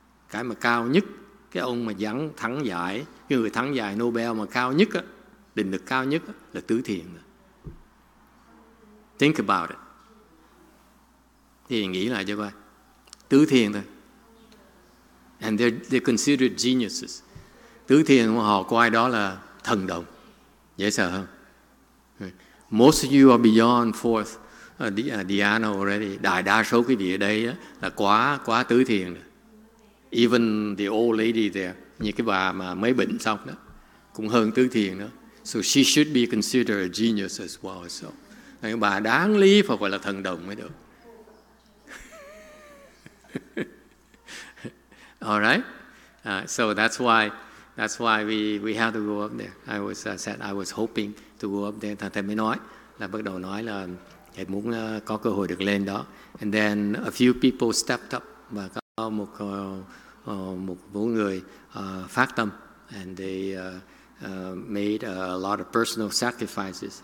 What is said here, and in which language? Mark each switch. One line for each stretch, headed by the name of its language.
Vietnamese: Cái mà cao nhất, cái ông mà thắng giải Nobel mà cao nhất, định lực cao nhất là tứ thiền.
English: Think about it.
Vietnamese: Thì nghĩ lại cho coi. Tứ thiền thôi.
English: And they're considered geniuses.
Vietnamese: Tứ thiền của họ coi đó là thần đồng. Dễ sợ không?
English: Most of you are beyond fourth dhyana already.
Vietnamese: Đại đa số quý vị ở đây là quá tứ thiền.
English: Even the old lady there,
Vietnamese: như cái bà mà mới bệnh xong đó, cũng hơn tứ thiền đó.
English: So she should be considered a genius as well.
Vietnamese: So, bà đáng lý phải gọi là thần đồng mới được.
English: All right. So that's why we have to go up there. I was hoping to go up there.
Vietnamese: Thầy mới nói là bắt đầu nói là thầy muốn có cơ hội được lên đó.
English: And then a few people stepped up
Vietnamese: và có một người phát tâm
English: and they made a lot of personal sacrifices.